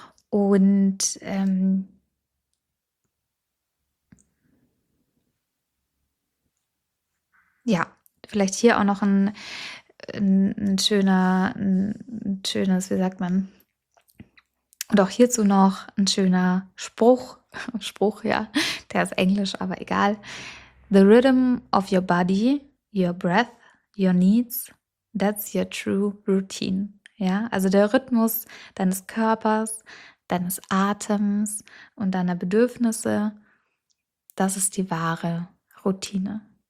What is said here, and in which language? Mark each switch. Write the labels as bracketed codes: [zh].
[de] Und ja, vielleicht hier auch noch ein schönes, wie sagt man, und auch hierzu noch ein schöner Spruch, ja, der ist Englisch, aber egal. [en] The rhythm of your body, your breath, your needs, that's your true routine. [de] Ja, also der Rhythmus deines Körpers, deines Atems und deiner Bedürfnisse, das ist die wahre Routine.